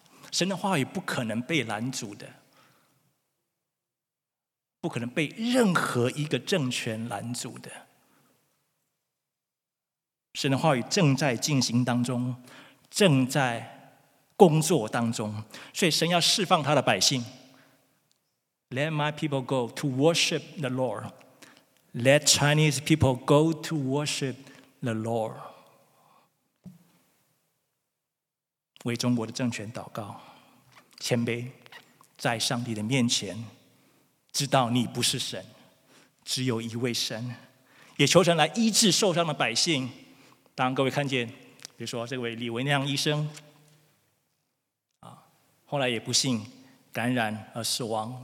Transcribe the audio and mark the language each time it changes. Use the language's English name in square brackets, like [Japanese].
[Chinese] 神的话语不可能被拦阻的，不可能被任何一个政权拦阻的。神的话语正在进行当中，正在工作当中，所以神要释放他的百姓。 [English] Let my people go to worship the Lord. Let Chinese people go to worship the Lord. [Chinese] 为中国的政权祷告，谦卑，在上帝的面前，知道你不是神，只有一位神。也求神来医治受伤的百姓。当各位看见，比如说这位李维亮医生，后来也不幸感染而死亡。